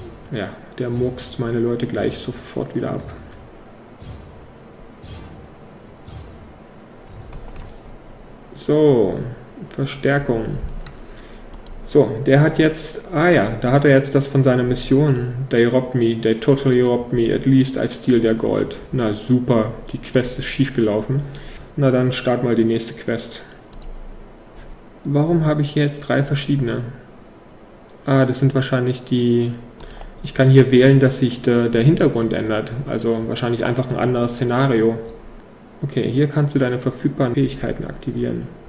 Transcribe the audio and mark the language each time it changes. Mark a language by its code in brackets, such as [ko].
[de] Ja, der murkst meine Leute gleich sofort wieder ab. So, Verstärkung. So, der hat jetzt... Ah ja, da hat er jetzt das von seiner Mission. [en] They robbed me, they totally robbed me, at least I steal their gold. [de] Na super, die Quest ist schiefgelaufen. Na dann start mal die nächste Quest. Warum habe ich hier jetzt drei verschiedene? Ah, das sind wahrscheinlich die... Ich kann hier wählen, dass sich der Hintergrund ändert. Also wahrscheinlich einfach ein anderes Szenario. Okay, hier kannst du deine verfügbaren Fähigkeiten aktivieren.